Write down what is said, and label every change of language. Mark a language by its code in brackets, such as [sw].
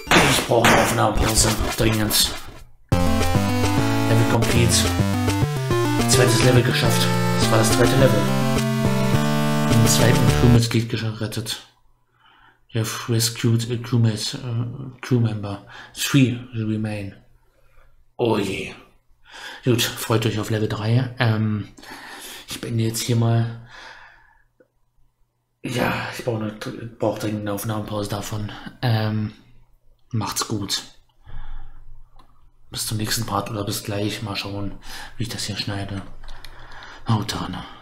[de] Ich brauche eine Aufnahmepause, dringend. [en] Level complete. [de] Zweites Level geschafft. Das war das zweite Level. Den zweiten Crewmitglied gerettet. [en] You have rescued a crew member. Three remain. [de] Oh je. Gut, freut euch auf Level 3. Ich beende jetzt hier mal. Ja, ich brauche dringend eine Aufnahmepause davon. Macht's gut. Bis zum nächsten Part oder bis gleich. Mal schauen, wie ich das hier schneide. Haut rein.